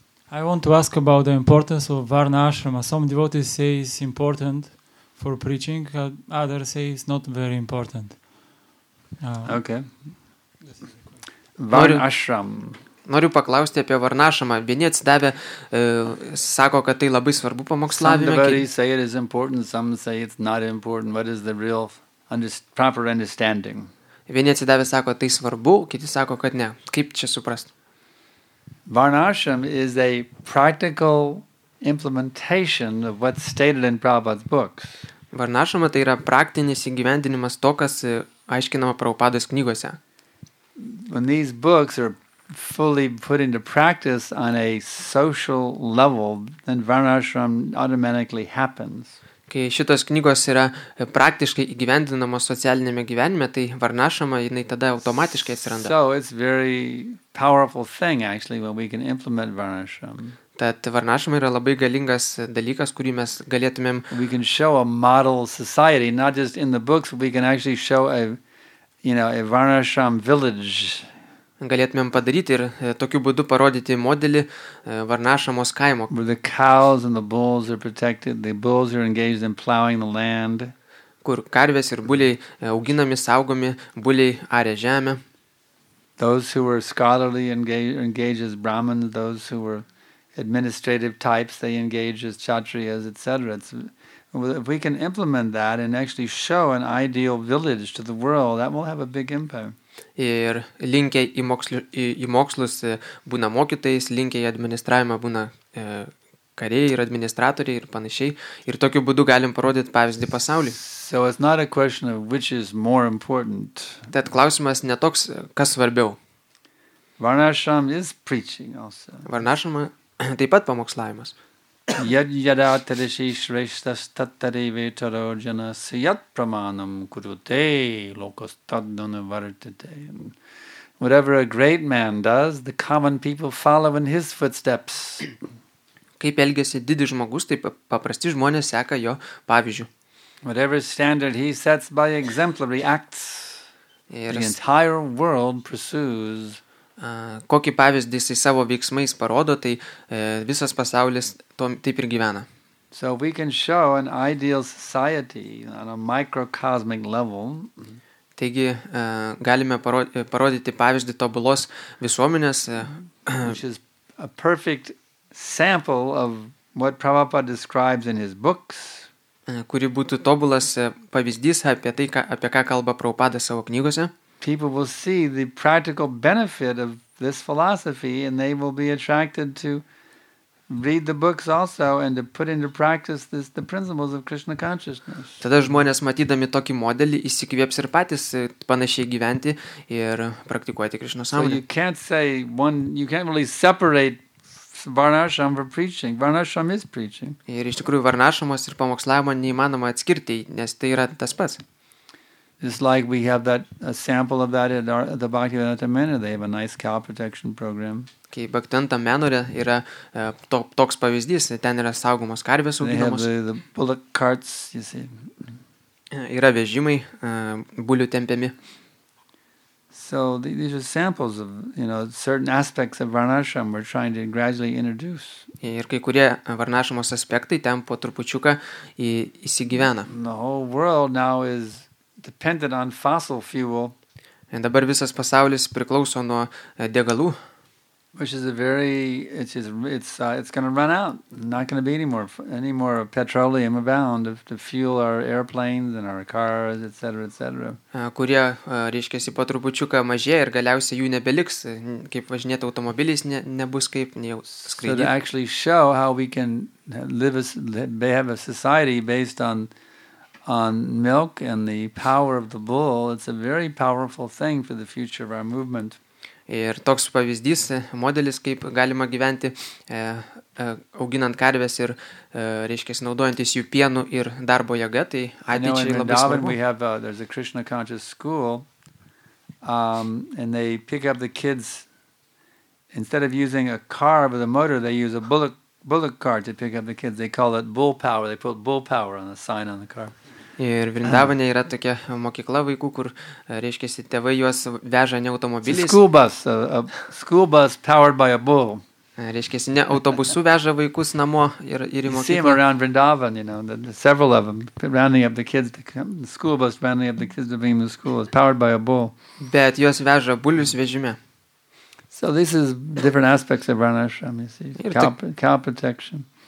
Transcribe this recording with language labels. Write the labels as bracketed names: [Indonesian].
[English] I want to ask about the importance of Varna Ashrama. Some devotees say it's important for preaching, others say it's not very important. Okay. Varna Ashram. [Lithuanian] Noriu paklausti apie Varna Ashramą. Vieni atsidavę sako, kad tai labai svarbu pamokslavime. [English] Some devotees say it is important, some say it's not important. What is the real proper understanding? [Lithuanian] Vieni atsidavę sako, tai svarbu, kiti sako, kad ne. Kaip čia suprast? [English] Varnashram is a practical implementation of what's stated in Prabhupada's books. [Lithuanian] Varnashrama tai yra praktinis įgyvendinimas to, kas aiškinama Prabhupados knygose. [English] When these books are fully put into practice on a social level, then Varnashram automatically happens. [Lithuanian] Kai šitos knygos yra praktiškai įgyvendinamos socialinėme gyvenime, tai varnašama, jinai tada automatiškai atsiranda. [English] So it's very powerful thing actually when we can implement varnašama. [Lithuanian] Tad varnašama yra labai galingas dalykas, kurį mes galėtumėm. [English] We can show a model society, not just in the books, but we can actually show a, you know, a varnašam village. [Lithuanian] Galėtumėm padaryti ir tokiu būdu parodyti modelį varnašamos kaimo. [English] The cows and the bulls are protected. The bulls are engaged in plowing the land. [Lithuanian] Kur karvės ir buliai auginami, saugomi, buliai aria žemę. [English] Those who were scholarly engage as brahmins, those who were administrative types, they engage as kshatriyas, etc. If we can implement that and actually show an ideal village to the world, that will have a big impact. [Lithuanian] Ir linkę į mokslus būna mokytojais, linkę į administravimą būna kariai ir administratoriai ir panašiai. Ir tokiu būdu galim parodyti pavyzdį pasaulį. [English] So it's not a question of which is more important. [Lithuanian] Tad klausimas ne toks, kas svarbiau. [English] Varnashram is preaching also. [Lithuanian] Varnashram taip pat pamokslavimas. [Sanskrit] Yad yada tadashi shreshtas tattare vetaro jana syat pramanam kurute lokas taddana vartate. [English] Whatever a great man does, the common people follow in his footsteps. [Lithuanian] Kaip elgiasi didis žmogus, taip paprasti žmonės seka jo pavyzdžiu. [English] Whatever standard he sets by exemplary acts, the entire world pursues. [Lithuanian] Kokį pavyzdį jisai savo veiksmais parodo, tai visas pasaulis taip ir gyvena. [English] So we can show an ideal society on a microcosmic level. [Lithuanian] Taigi galime parodyti pavyzdį tobulos visuomenės, [English] which is a perfect sample of what Prabhupada describes in his books, [Lithuanian] kuri būtų tobulas pavyzdys apie tai, apie ką kalba Prabhupada savo knygose, [English] people will see the practical benefit of this philosophy and they will be attracted to read the books also and to put into practice this, the principles of Krishna consciousness. [Lithuanian] Tada žmonės, matydami tokį modelį, įsikvėps ir patys panašiai gyventi ir praktikuoti Krishna sąmonę. [English] So you can't say one, you can't really separate Varnashram from preaching. Varnashram is preaching. [Lithuanian] Ir iš tikrųjų Varnashramas ir pamokslavimo neįmanoma atskirti, nes tai yra tas pats. [English] It's like we have that a sample of that at the Bhaktivedanta Manor. They have a nice cow protection program. [Lithuanian] Kai Bhaktivedanta Manore yra toks pavyzdys, ten yra saugomos karvės auginamos. [English] They have the bullock carts, you see. [Lithuanian] Yra vežimai, bulių tempiami. [English] So these are samples of, you know, certain aspects of Varnashram we're trying to gradually introduce. [Lithuanian] Ir kai kurie Varnashramos aspektai ten po trupučiuką įsigyvena. [English] The whole world now is dependent on fossil fuel. And [Lithuanian] dabar visas pasaulis priklauso nuo degalų. [English] Which is a very, it's going to run out. Not going to be any more petroleum abound to fuel our airplanes and our cars, etc., etc. [Lithuanian] Kurie, reiškiasi, po trupučiuką mažėja ir galiausiai jų nebeliks, kaip važinėti automobiliais nebus kaip jau skraidyti. [English] So to actually show how we can have a society based on milk and the power of the bull, it's a very powerful thing for the future of our movement. [Lithuanian] Ir toks pavyzdys, modelis, kaip galima gyventi auginant karves ir reiškia naudojantis jų pienu ir darbo jėga, tai ateičiai labai svarbu. [English] We have there's a Krishna conscious school and they pick up the kids instead of using a car with a motor, they use a bullock cart to pick up the kids. They call it bull power. They put bull power on the sign on the car. [Lithuanian] Ir Vrindavane yra tokia mokykla vaikų, kur, reiškiasi, tėvai juos veža ne automobiliais. [English] School bus powered by a bull. [Lithuanian] Reiškiasi, ne autobusu veža vaikus namo ir į mokyklą. [English] You see them around Vrindavan, you know, the several of them, rounding up the kids, the school bus rounding up the kids to bring them to school, it's powered by a bull. [Lithuanian] Bet juos veža bulius vežime. [English] So this is different aspects of Varnashram, you see, cow protection.